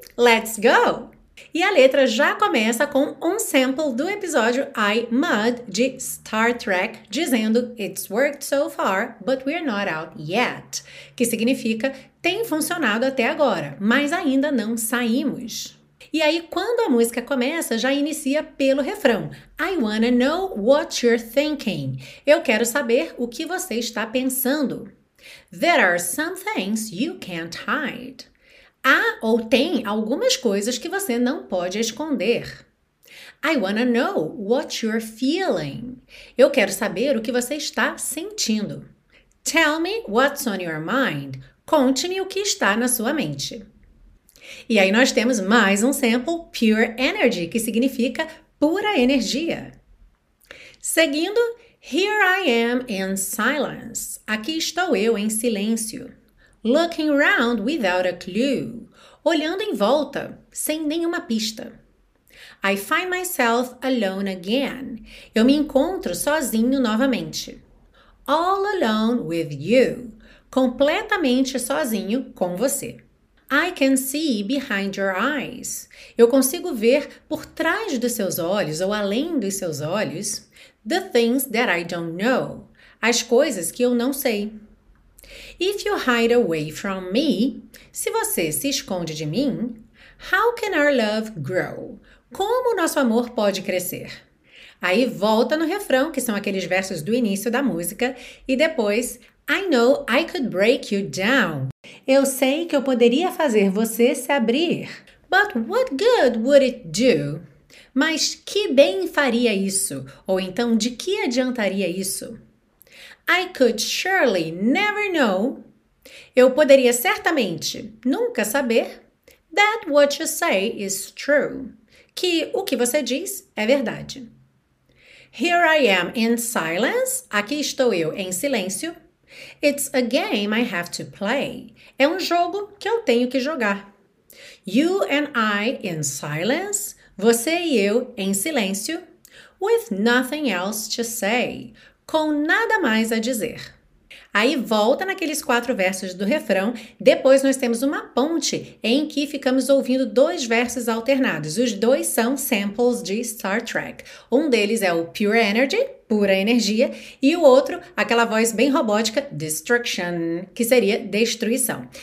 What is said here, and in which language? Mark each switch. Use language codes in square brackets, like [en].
[pt] Let's go! E a letra já começa com um sample do episódio I, Mud, de Star Trek, dizendo [en] It's worked so far, but we're not out yet, [pt] que significa tem funcionado até agora, mas ainda não saímos. E aí, quando a música começa, já inicia pelo refrão. [en] I wanna know what you're thinking. [pt] Eu quero saber o que você está pensando. [en] There are some things you can't hide. [pt] Há ou tem algumas coisas que você não pode esconder. [en] I wanna know what you're feeling. [pt] Eu quero saber o que você está sentindo. [en] Tell me what's on your mind. [pt] Conte-me o que está na sua mente. E aí nós temos mais um sample, Pure Energy, que significa pura energia. Seguindo, [en] Here I am in silence. [pt] Aqui estou eu em silêncio. [en] Looking around without a clue. [pt] Olhando em volta, sem nenhuma pista. [en] I find myself alone again. [pt] Eu me encontro sozinho novamente. [en] All alone with you. [pt] Completamente sozinho com você. [en] I can see behind your eyes. [pt] Eu consigo ver por trás dos seus olhos ou além dos seus olhos [en] the things that I don't know. [pt] As coisas que eu não sei. [en] If you hide away from me, [pt] se você se esconde de mim, [en] how can our love grow? [pt] Como o nosso amor pode crescer? Aí volta no refrão, que são aqueles versos do início da música, e depois [en] I know I could break you down. [pt] Eu sei que eu poderia fazer você se abrir. [en] But what good would it do? [pt] Mas que bem faria isso? Ou então, de que adiantaria isso? [en] I could surely never know. [pt] Eu poderia certamente nunca saber [en] that what you say is true. [pt] Que o que você diz é verdade. [en] Here I am in silence. [pt] Aqui estou eu em silêncio. [en] It's a game I have to play. [pt] É um jogo que eu tenho que jogar. [en] You and I in silence. [pt] Você e eu em silêncio. [en] with nothing else to say. [pt] Com nada mais a dizer. Aí volta naqueles quatro versos do refrão, depois nós temos uma ponte em que ficamos ouvindo dois versos alternados. Os dois são samples de Star Trek. Um deles é o Pure Energy, pura energia, e o outro, aquela voz bem robótica, Destruction, que seria destruição.